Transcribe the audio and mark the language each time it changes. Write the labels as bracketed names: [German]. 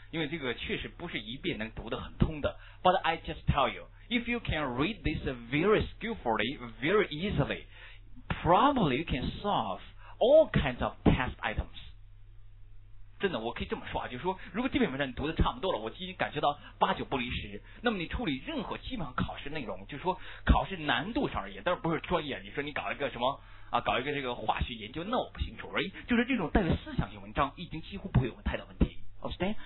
[Chinese] 因为这个确实不是一遍能读得很通的。 [English] But I just tell you， if you can read this very skillfully， very easily， probably you can solve all kinds of test items。 [Chinese] 真的，我可以这么说啊，就是说，如果这篇文章你读的差不多了，我已经感觉到八九不离十，那么你处理任何基本上考试内容，就是说考试难度上而言，当然不是专业，你说你搞一个什么啊，搞一个这个化学研究，那我不清楚，就是这种带有思想性文章，已经几乎不会有太大问题 ，understand？